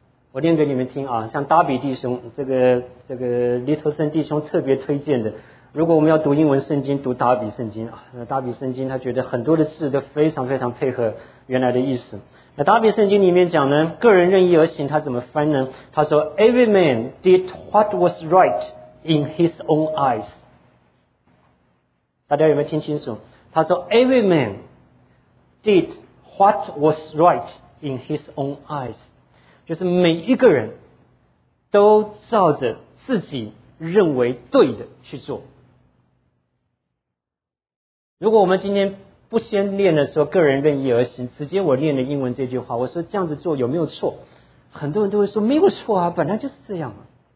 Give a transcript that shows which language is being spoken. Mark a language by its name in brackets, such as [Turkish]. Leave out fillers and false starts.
[Chinese] 我念给你们听啊，像达比弟兄，这个利托森弟兄特别推荐的，如果我们要读英文圣经，读达比圣经啊，那达比圣经他觉得很多的字都非常非常配合原来的意思。那达比圣经里面讲呢，个人任意而行，他怎么翻呢？ [English] 他说 ，Every man did what was right in his own eyes。 [Chinese] 大家有没有听清楚？ [English] 他说 ，Every man did what was right in his own eyes。 [Chinese] 就是每一个人都照着自己认为对的去做。如果我们今天不先练的说个人任意而行，直接我练的英文这句话，我说这样子做有没有错，很多人都会说没有错啊，本来就是这样啊。